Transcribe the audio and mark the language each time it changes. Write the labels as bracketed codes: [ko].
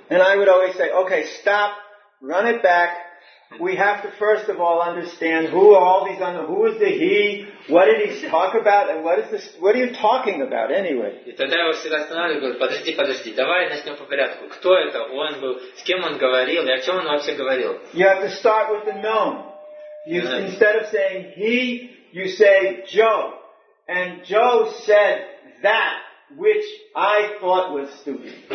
[en] And I would always say, okay, stop, run it back. We have to first of all understand who are all these on the, who is the he, what did he talk about, and what is this, what are you talking about anyway? [ru] И тогда я его всегда останавливаю, говорю, подожди, подожди, давай начнем по порядку. Кто это? Он был, с кем он говорил, и о чем он вообще говорил? [en] You have to start with the known. You, instead of saying he, you say Joe. And Joe said that which I thought was stupid.